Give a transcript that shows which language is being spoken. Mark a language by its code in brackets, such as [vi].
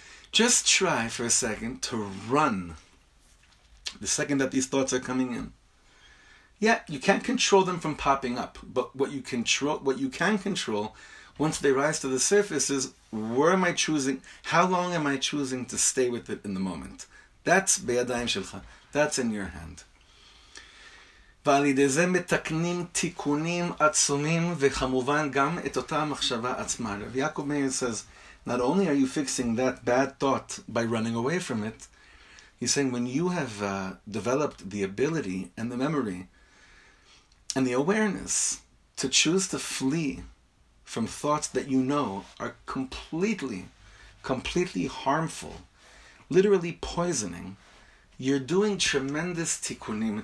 [en] Just try for a second to run the second that these thoughts are coming in. Yeah, you can't control them from popping up, but what you can control, once they rise to the surface, is where am I choosing, how long am I choosing to stay with it in the moment? That's Be'adayim Shelcha, that's in your hand. [he] ועל ידי זה מתקנים תיקונים עצומים וכמובן גם את אותה המחשבה עצמה. [en] רב יעקב מאיר says, not only are you fixing that bad thought by running away from it, he's saying when you have developed the ability and the memory and the awareness to choose to flee from thoughts that you know are completely, completely harmful, literally poisoning, you're doing tremendous tikkunim.